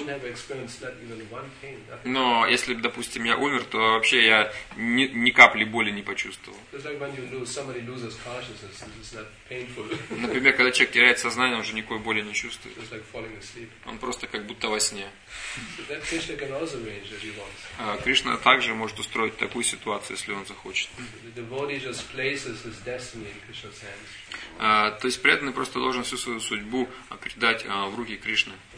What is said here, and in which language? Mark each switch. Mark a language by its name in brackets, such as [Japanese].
[English] I wouldn't have experienced that even one pain, nothing. [Russian] Но если, допустим, я умер, то вообще я ни капли боли не почувствовал. [English] It's like when you lose, somebody loses consciousness, it's not painful. [Russian] Например, когда человек теряет сознание, он уже никакой боли не чувствует. [English] It's like falling asleep. [Russian] Он просто как будто во сне. [English] That Krishna can also arrange if he wants. [Russian] Кришна также может устроить такую ситуацию, если он захочет. [English] The devotee just places his destiny in Krishna's hands. [Russian] То есть преданный просто должен всю свою судьбу передать в руки Кришны.